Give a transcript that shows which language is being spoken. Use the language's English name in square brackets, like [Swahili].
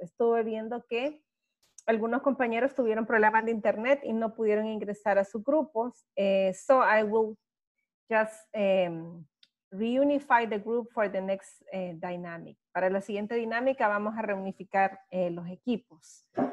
[Spanish] Estuve viendo que algunos compañeros tuvieron problemas de internet y no pudieron ingresar a sus grupos. [English] So I will just reunify the group for the next dynamic. [Spanish] Para la siguiente dinámica vamos a reunificar los equipos.